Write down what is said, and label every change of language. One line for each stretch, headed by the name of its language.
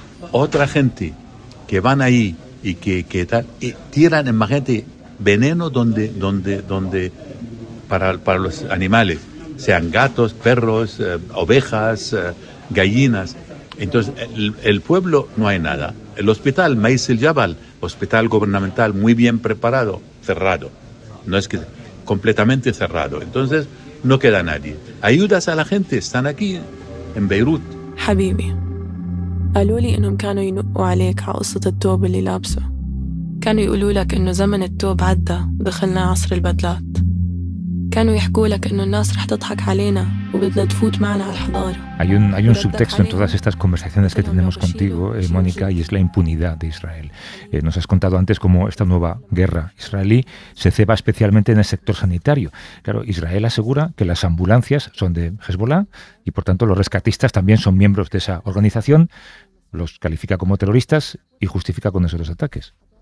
Spanish: Otra gente que van ahí y que tal, y tiran, imagínate, veneno donde para los animales, sean gatos, perros, ovejas, gallinas. Entonces el pueblo no hay nada. El hospital Maiz el Jabal, hospital gubernamental muy bien preparado, cerrado. No es que completamente cerrado. Entonces no queda nadie. Ayudas a la gente, están aquí en Beirut.
Arabic: Habibi. قالوا لي إنهم كانوا ينقوا عليك على قصة التوب اللي لابسه. كانوا يقولوا لك إنه زمن التوب عدى ودخلنا عصر البدلات. كانوا يحكوا لك إنه الناس رح تضحك علينا وبدنا تفوت معنا على الحضارة.
Spanish: Hay un subtexto en todas estas conversaciones que tenemos contigo, Mónica, y es la impunidad de Israel. Nos has contado antes cómo esta nueva guerra israelí se ceba especialmente en el sector sanitario. Claro, Israel asegura que las ambulancias son de Hezbollah y, por tanto, los rescatistas también son miembros de esa organización, los califica como terroristas y justifica con eso los ataques.